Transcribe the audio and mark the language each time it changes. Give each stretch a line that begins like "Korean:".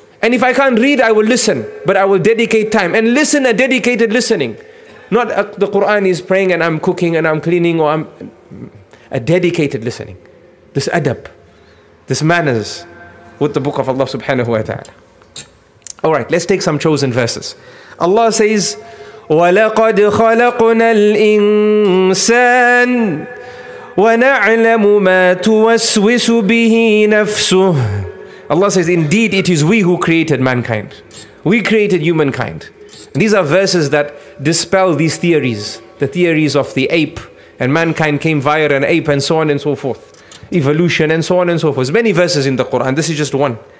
English: And if I can't read, I will listen, but I will dedicate time. And listen, a dedicated listening. Not the Quran is praying and I'm cooking and I'm cleaning or I'm... A dedicated listening. This adab, this manners with the book of Allah subhanahu wa ta'ala. Alright, let's take some chosen verses.
Arabic: Allah says, وَلَقَدْ خَلَقْنَا الْإِنسَانَ وَنَعْلَمُ مَا تُوَسْوِسُ بِهِ نَفْسُهُ.
English: Allah says, indeed it is we who created mankind. We created humankind. And these are verses that dispel these theories. The theories of the ape, and mankind came via an ape, and so on and so forth. Evolution and so on and so forth. There's many verses in the Quran. This is just one.